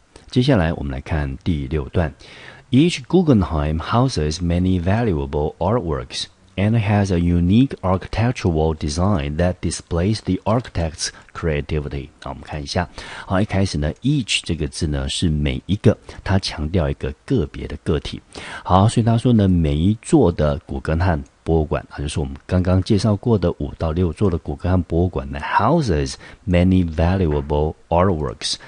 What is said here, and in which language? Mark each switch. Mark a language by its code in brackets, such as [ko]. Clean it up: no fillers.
[zh] 接下来我们来看第六段。 [en] Each Guggenheim houses many valuable artworks and has a unique architectural design that displays the architect's creativity. [zh] 那我们看一下。好，一开始呢 ,each 这个字呢是每一个，它强调一个个别的个体。好，所以他说呢，每一座的古根汉博物馆，就是我们刚刚介绍过的五到六座的古根汉博物馆呢 [en] houses many valuable artworks。